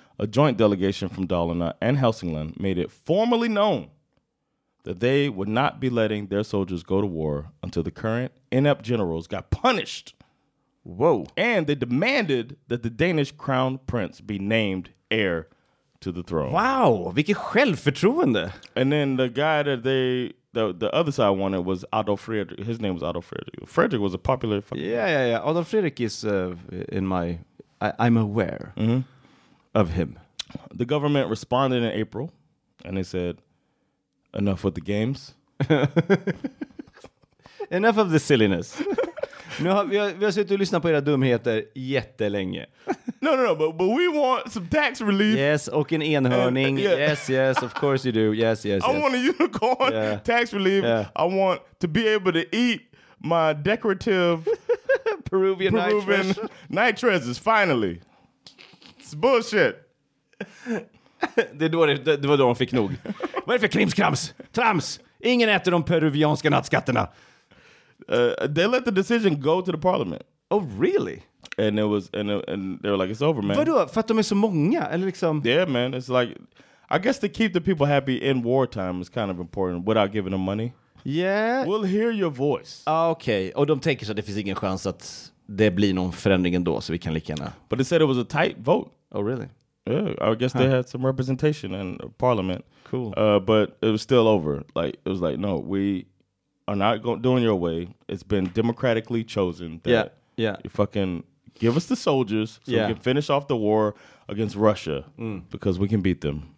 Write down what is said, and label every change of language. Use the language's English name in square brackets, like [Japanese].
[English] A joint delegation from Dalarna and Helsingland made it formally known that they would not be letting their soldiers go to war until the current inept generals got punished. Whoa. And they demanded that the Danish crown prince be named heir to the throne. [Swedish] Wow, vilket självförtroende. [English] And then the guy that the other side wanted was Otto Frederick. His name was Otto Frederick. Frederick was a popular... Yeah. Otto Frederick is in my... I'm aware. Mm-hmm. Of him. The government responded in April and they said, enough with the games. Enough of the silliness. [Swedish] Nu har vi har suttit och lyssnat på era dumheter jättelänge. [English] No, but we want some tax relief. Yes, [Swedish] och en enhörning. [English] And, yeah. Yes, of course you do. Yes. I want a unicorn tax relief. Yeah. I want to be able to eat my decorative Peruvian night treasures, finally. It's bullshit. [Swedish] Det var då de fick nog. Vad är för krimskrams? Trams! Ingen äter de peruvianska nattskatterna. [English] They let the decision go to the parliament. Oh, really? And it was and they were like, it's over, man. [Swedish] Vadå? För att de är så många? Eller liksom... [English] Yeah, man. It's like, I guess to keep the people happy in wartime is kind of important without giving them money. Yeah. We'll hear your voice. [Swedish] Okej. Okay. Och de tänker så att det finns ingen chans att... Det blir någon förändring ändå, så vi kan lika gärna. [English] But they said it was a tight vote. Oh, really? Yeah, I guess they had some representation in parliament. Cool. But it was still over. Like, it was like, no, are not doing your way. It's been democratically chosen that you fucking give us the soldiers so we can finish off the war against Russia because we can beat them.